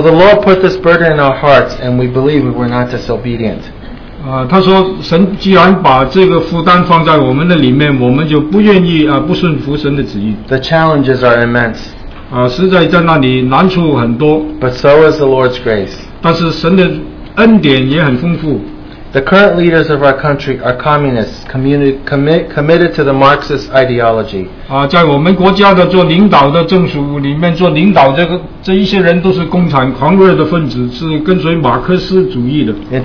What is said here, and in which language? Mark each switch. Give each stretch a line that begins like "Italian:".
English: the Lord put this burden in our hearts, and we believe we were not disobedient.
Chinese: 他说神既然把这个负担放在我们的里面，我们就不愿意不顺服神的旨意。
English: The challenges are immense.
Chinese: 实在在那里难处很多。
English: But so is the Lord's grace.
Chinese: 但是神的恩典也很丰富。
English: The current leaders of our country are communists, committed to the Marxist ideology.
Chinese: 在我们国家的做领导的政府里面做领导，这一些人都是共产狂热的分子，是跟随马克思主义的。
English: In